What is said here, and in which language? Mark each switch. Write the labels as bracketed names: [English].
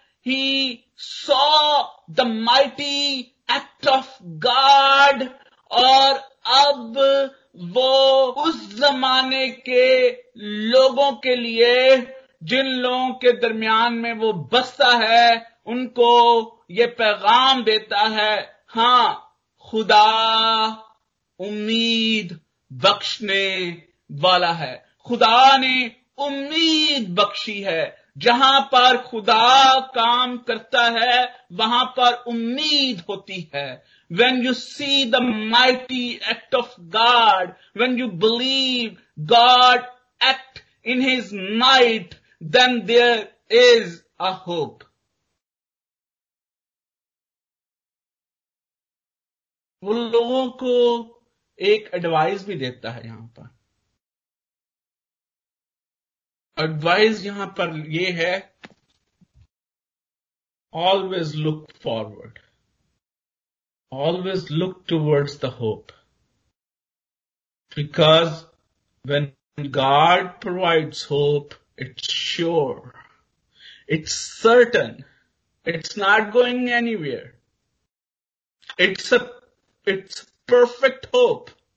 [English] he saw the mighty act of God, [Urdu] اور اب وہ اس زمانے کے لوگوں کے لیے, جن لوگوں کے درمیان میں وہ بستا ہے, ان کو یہ پیغام دیتا ہے, ہاں خدا امید بخشنے والا ہے، خدا نے امید بخشی ہے، جہاں پر خدا کام کرتا ہے وہاں پر امید ہوتی ہے. [English] When you see the mighty act of God, when you believe God act in his might, then there is a hope. [Urdu] وہ لوگوں کو ایک ایڈوائز بھی دیتا ہے یہاں پر. ایڈوائز یہاں پر یہ ہے، [English] Always look forward, always look towards the hope, because when God provides hope it's sure, it's certain, it's not going anywhere, it's a it's perfect hope.